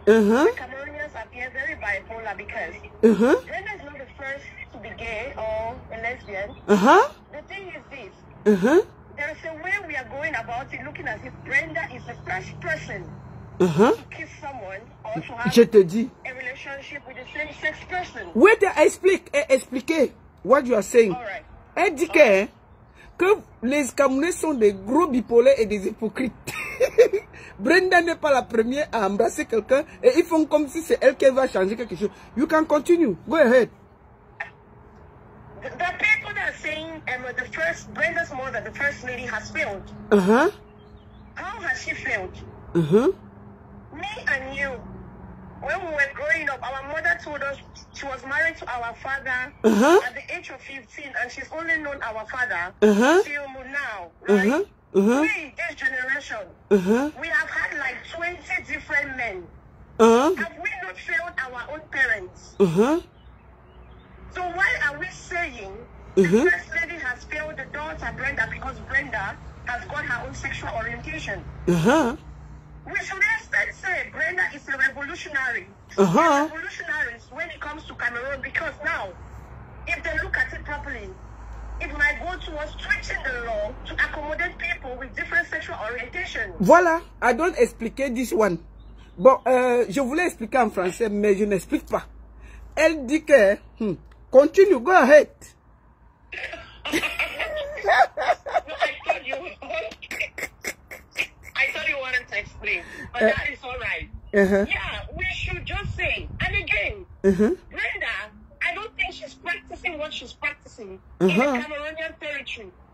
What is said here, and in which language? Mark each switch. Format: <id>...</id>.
<en>The Cameroonians appear very bipolar because Brenda is not the first to be gay or a lesbian. The thing is this. There's a way we are going about it, looking as if Brenda is the first person to kiss someone or to have a relationship with the same sex person. Wait,</en> <fr>expliquez</fr> <en>what you are saying. Alright.</en> <fr>Indiquez que les Camerounais sont des gros bipolaires et des hypocrites. Brenda n'est pas la première à embrasser quelqu'un et ils font comme si c'est elle qui va changer quelque chose.</fr> <en>You can continue. Go ahead. The people that are saying the first Brenda's mother, the first lady, has failed. How has she failed? Me and you, when we were growing up, our mother told us she was married to our father at the age of 15 and she's only known our father till now, right? This generation, we have had like 20 different men. Have we not failed our own parents? So why are we saying the first lady has failed the daughter Brenda because Brenda has got her own sexual orientation? We should instead say Brenda is a revolutionary. Revolutionaries when it comes to Cameroon, because now, if they look at it properly, it might go towards stretching the law to accommodate people with different sexual orientation.</en> <fr>Voilà,</fr> <en>I don't</en> <fr>expliquer</fr> <en>this one.</en> <fr>Bon, je voulais expliquer en français, mais je n'explique pas. Elle dit que... continue,</fr> <en>go ahead. I thought you wanted to explain, but that is all right. Yeah, we should just say, and again, Brenda, I don't think she's practicing what she's practicing in a Cameroonian territory.</en>